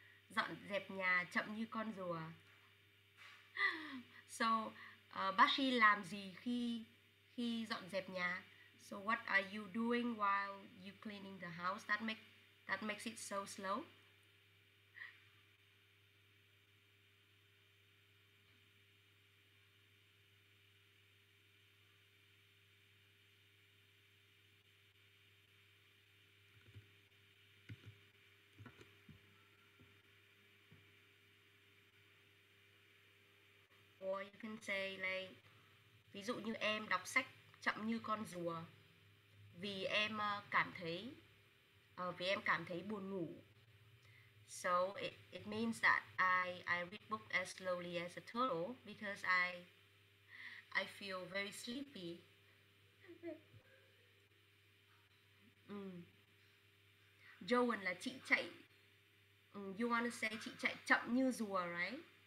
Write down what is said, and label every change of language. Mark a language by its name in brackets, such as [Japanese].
[Vietnamese] Dọn dẹp nhà chậm như con rùa. [English] So, [Vietnamese] Bashi làm gì khi dọn dẹp nhà? [English] So, what are you doing while you cleaning the house that makes it so slow? Or you can say like, [Vietnamese] ví dụ như em đọc sách chậm như con rùa vì em cảm thấy buồn ngủ. [English] So it means that I read book as slowly as a turtle because I feel very sleepy. [Vietnamese] Joan là chị chạy. [English] You want to say [Vietnamese] chị chạy chậm như rùa, [English] right?